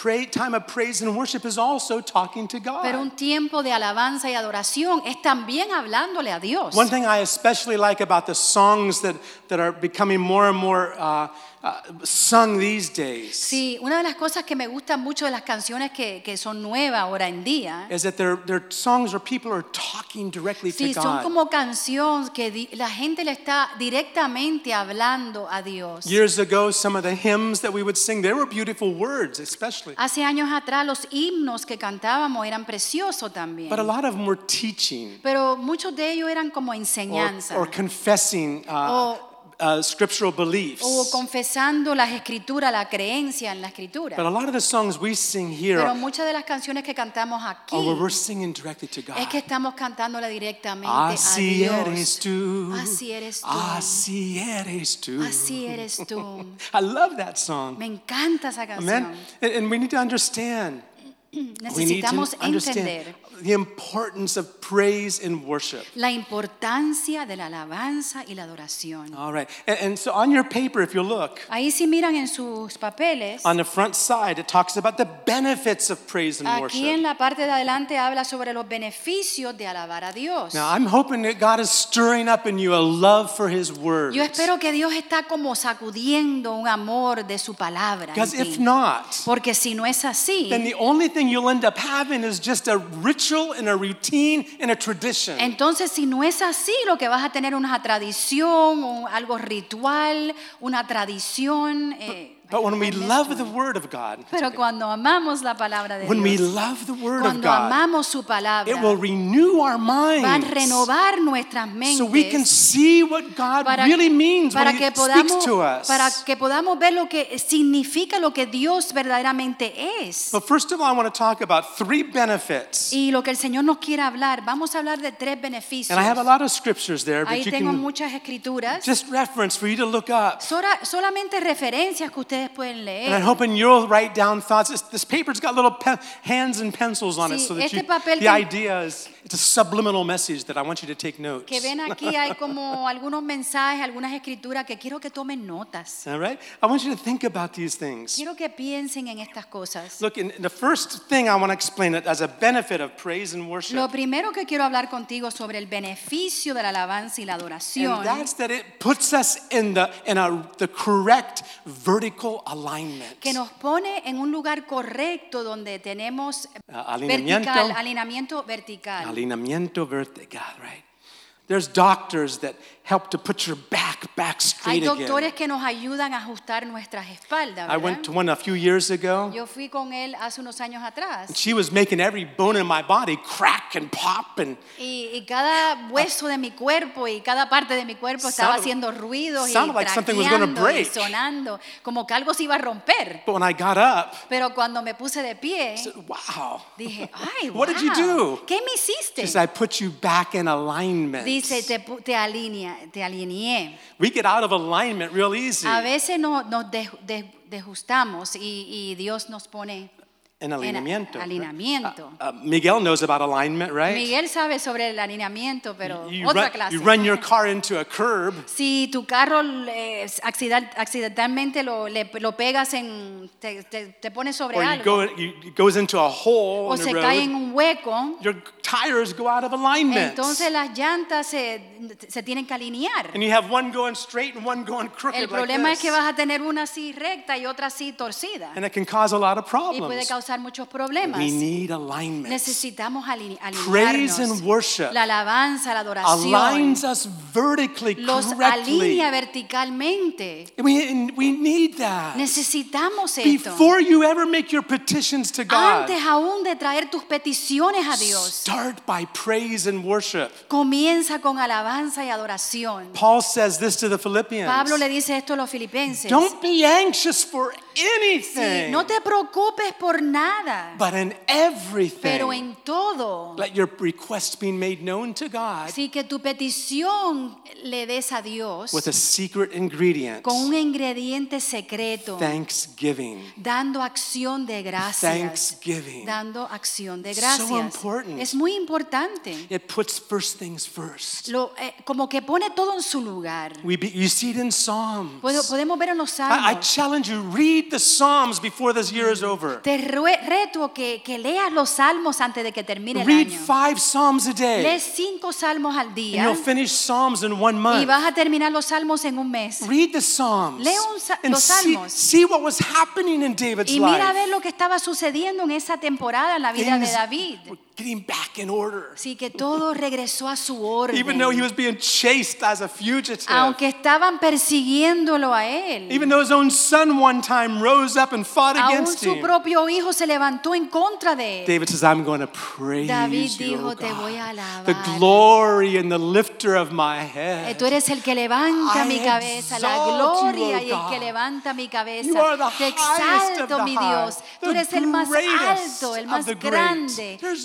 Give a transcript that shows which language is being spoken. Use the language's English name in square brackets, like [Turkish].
[English] Time of praise and worship is also talking to God. [Spanish] Pero un tiempo de alabanza y adoración es también hablándole a Dios. [English] One thing I especially like about the songs that are becoming more and more sung these days. [Spanish] Sí, una de las cosas que me gusta mucho de las canciones que son nuevas ahora en día [English] is that they're songs where people are talking directly [Spanish] sí, Sí, son como canciones que la gente le está directamente hablando a Dios. [English] Years ago, some of the hymns that we would sing, they were beautiful words, especially. [Spanish] Hace años atrás, los himnos que cantábamos eran preciosos también. [English] But a lot of them were teaching. [Spanish] Pero muchos de ellos eran como enseñanza. [English] Or confessing. Scriptural beliefs. [Spanish] O confesando las escrituras, la creencia en la escritura. [English] But a lot of the songs we sing here. [Spanish] Pero muchas de las canciones que cantamos aquí. [English] Oh, we're singing directly to God. [Spanish] Es que estamos cantándola directamente así a Dios. Eres tú. Así eres tú. Así eres tú. Así eres tú. [English] I love that song. [Spanish] Me encanta esa canción. [English] Amen. And we need to understand. [Spanish] Necesitamos entender [English] the importance of praise and worship. [Spanish] La importancia de la alabanza y la adoración. [English] All right. And so on your paper, if you look, [Spanish] ahí si miran en sus papeles, [English] on the front side, it talks about the benefits of praise and [Spanish] aquí [English] worship. [Spanish] Aquí en la parte de adelante habla sobre los beneficios de alabar a Dios. [English] Now, I'm hoping that God is stirring up in you a love for His Word. [Spanish] Yo espero que Dios está como sacudiendo un amor de su palabra. [English] Because if not, [Spanish] porque si no es así, [English] then the only thing you'll end up having is just a ritual and a routine and a tradition. [Spanish] Entonces, si no es así, lo que vas a tener una tradición, algo ritual, una tradición. [English] But when we love the Word of God, [Spanish] pero cuando amamos la palabra de Dios, [English] when we love the Word of God, [Spanish] cuando amamos su palabra, [English] it will renew our minds. [Spanish] Va a renovar nuestras mentes. [English] So we can see what God really means when He speaks to us. [Spanish] Para que podamos ver lo que significa lo que Dios verdaderamente es. [English] But first of all, I want to talk about three benefits. [Spanish] Y lo que el Señor nos quiere hablar, vamos a hablar de tres beneficios. [English] And I have a lot of scriptures there, [Spanish] ahí [English] but [Spanish] tengo [English] you can [Spanish] muchas escrituras. [English] Just reference for you to look up. [Spanish] Solamente referencias que ustedes pueden leer. [English] And I'm hoping you'll write down thoughts. This paper's got little hands and pencils on it, so that [Spanish] este [English] you, the idea is, it's a subliminal message that I want you to take notes. [Spanish] Que ven aquí hay como algunos mensajes, algunas escrituras que quiero que tomen notas. [English] All right? I want you to think about these things. [Spanish] Quiero que piensen en estas cosas. [English] Look, and the first thing I want to explain it as a benefit of praise and worship. [Spanish] Lo primero que quiero hablar contigo sobre el beneficio de la alabanza y la adoración. [English] And that's that it puts us in the correct vertical alignment. [Spanish] Que nos pone en un lugar correcto donde tenemos alineamiento vertical, [English] right? There's doctors that help to put your back straight again. [Spanish] Hay doctores [English] again. [Spanish] Que nos ayudan a ajustar nuestras espaldas, ¿verdad? [English] I went to one a few years ago. [Spanish] Yo fui con él hace unos años atrás. [English] She was making every bone in my body crack and pop and. [Spanish] Y cada hueso de mi cuerpo y cada parte de mi cuerpo estaba haciendo ruido y craqueando, sonando como que algo se iba a romper. [English] But when I got up, [Spanish] pero cuando me puse de pie, [English] I said, "Wow." [Spanish] Dije, "Ay, wow." [English] What did you do? [Spanish] ¿Qué me hiciste? [English] She said, "I put you back in alignment." [Spanish] Dice, te alineé. Te alineé. [English] We get out of alignment real easy. [Spanish] A veces nos desajustamos y Dios nos pone En alineamiento. Alineamiento. [English] Miguel knows about alignment, right? [Spanish] Miguel sabe sobre el alineamiento, pero otra clase. [English] You run your car into a curb. [Spanish] Si tu carro accidentalmente lo pegas en te pones sobre algo. [English] Or you goes into a hole in the road. [Spanish] O se cae en un hueco. [English] Your tires go out of alignment. [Spanish] Entonces las llantas se tienen que alinear. [English] And you have one going straight and one going crooked like this. [Spanish] El problema es que vas a tener una así recta y otra así torcida. [English] And it can cause a lot of problems. [Spanish] Causar muchos problemas. [English] We need alignment. [Spanish] Necesitamos alinearnos. [English] Praise and worship. [Spanish] La alabanza, la adoración. [English] Aligns us vertically, [Spanish] los [English] correctly. [Spanish] Alinea verticalmente. [English] We need that. [Spanish] Necesitamos esto. [English] Before you ever make your petitions to God. [Spanish] Antes aún de traer tus peticiones a Dios. [English] Start by praise and worship. [Spanish] Comienza con alabanza y adoración. [English] Paul says this to the Philippians. [Spanish] Pablo le dice esto a los filipenses. [English] Don't be anxious for anything. [Spanish] Sí, no te preocupes por nada. [English] But in everything. [Spanish] Pero en todo. [English] Let your requests be made known to God. [Spanish] Sí, que tu petición le des a Dios. [English] With a secret ingredient. [Spanish] Con un ingrediente secreto. [English] Thanksgiving. [Spanish] Dando acción de gracias. [English] Thanksgiving. [Spanish] Dando acción de gracias. [English] So important. [Spanish] Es muy importante. [English] It puts first things first. [Spanish] Como que pone todo en su lugar. [English] You see it in Psalms. [Spanish] Podemos ver en los Salmos. [English] I challenge you, read the Psalms before this year is over. [Spanish] Te reto que leas los Salmos antes de que termine el año. [English] Read 5 Psalms a day. [Spanish] Lee 5 Salmos al día. [English] And you'll finish Psalms in 1 month. [Spanish] Y vas a terminar los Salmos en un mes. [English] Read the Psalms. [Spanish] Lee los Salmos. [English] See what was happening in David's life. [Spanish] Y mira a ver lo que estaba sucediendo en esa temporada en la vida de David. [English] Getting back in order. [Spanish] Sí, que todo regresó a su orden. [English] Even though he was being chased as a fugitive. [Spanish] Aunque estaban persiguiéndolo a él. [English] Even though his own son one time rose up and fought against him. [Spanish] Aún su propio hijo se levantó en contra de él. [English] David says, "I'm going to praise you, David [Spanish] dijo, [English] oh God, [Spanish] te voy a alabar. [English] The glory and the lifter of my head. [Spanish] Tú eres el que levanta mi cabeza, la gloria y el que levanta mi cabeza. [English] You are the highest of the high. [Spanish] Tú eres el más alto, el más grande.